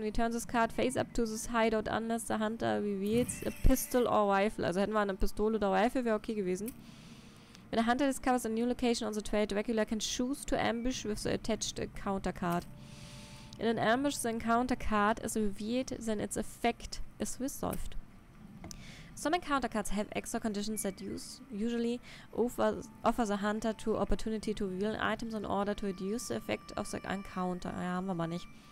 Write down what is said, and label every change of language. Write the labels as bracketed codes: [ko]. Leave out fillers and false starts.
[en] Returns his card face up to this hideout unless the Hunter reveals a pistol or rifle. [de] Also hätten wir eine Pistole oder Rifle, wäre okay gewesen. [en] When a Hunter discovers a new location on the trail, Dracula can choose to ambush with the attached counter card. In an ambush, the encounter card is revealed, then its effect is resolved. Some encounter cards have extra conditions that usually offer the Hunter to opportunity to reveal items in order to reduce the effect of the encounter. [de] Ja, haben wir mal nicht.